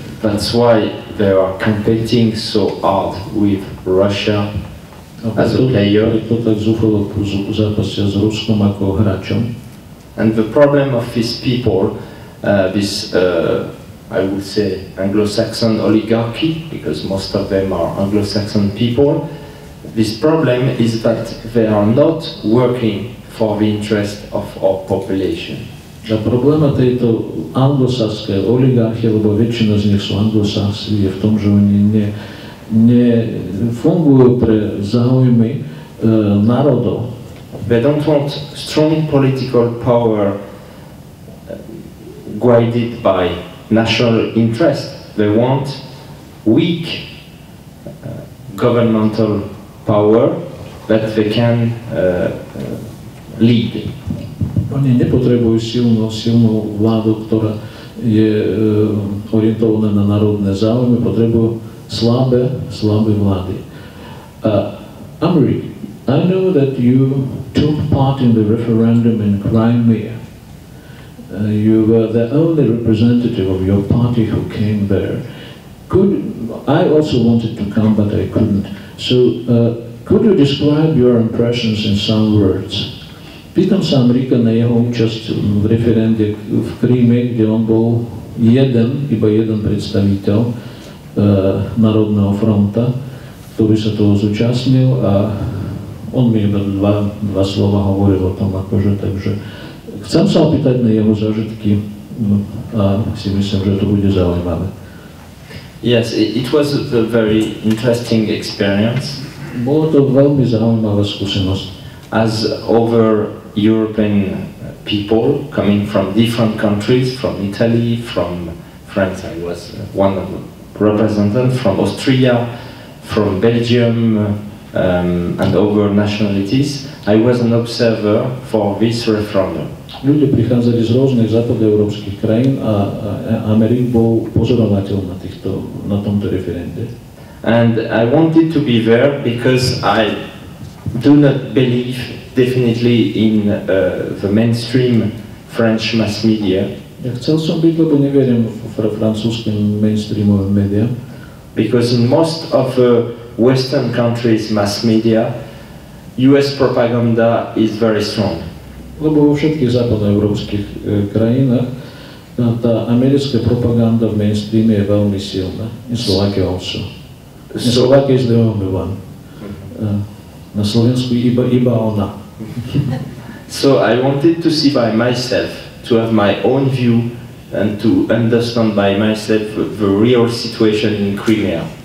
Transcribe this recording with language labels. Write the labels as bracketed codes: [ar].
[en] That's why they are competing so hard with Russia as a player. [sk] To tak zúfalo zápasia s Ruskom ako hráčom. [en] And the problem of these people, I would say Anglo-Saxon oligarchy, because most of them are Anglo-Saxon people, this problem is that they are not working for the interest of our population. [sk] A probléma tejto anglosaskej oligarchie, lebo väčšina z nich sú anglosaskí, je v tom, že oni nefungujú pre záujmy národov. [en] They don't want strong political power guided by national interest. They want weak governmental power that they can lead. [sk] Oni nepotrebujú silnú vládu, ktorá je orientovaná na národné záujmy, potrebujú slabé vlády. [en] Aymeric, I know that you took part in the referendum in Crimea. You were the only representative of your party who came there. I also wanted to come, but I couldn't. So, could you describe your impressions in some words? [sk] Pýtam sa Aymerica na jeho účasť v referende v Kríme, kde on bol iba jeden predstaviteľ Národného fronta, ktorý sa toho zúčastnil, a on mi iba dva slova hovoril o tom, akože, takže chcem sa opýtať na jeho zážitky a si myslím, že to bude zaujímavé. [en] Yes, it was a very interesting experience. [sk] Bolo to veľmi zaujímavá skúsenosť. [en] As over European people coming from different countries, from Italy, from France, I was one of the representatives, from Austria, from Belgium, and other nationalities. I was an observer for this referendum. [sk] Ľudia prichádzali z rôznych západoeurópskych krajín a Aymeric bol pozorovateľ na tomto referende. [en] And I wanted to be there because I do not believe definitely in the mainstream French mass media. [sk] Ja chcel som byť, lebo neverím v francúzskym mainstreamovým media. [en] Because in most of the Western countries' mass media, US propaganda is very strong. [sk] Lebo vo všetkých západoeurópskych krajinách tá americká propaganda v mainstreame je veľmi silná. [en] In Slovakia also. In Slovakia is the only one. [sk] Na Slovensku iba ona. [en] So I wanted to see by myself, to have my own view and to understand by myself the real situation in Crimea.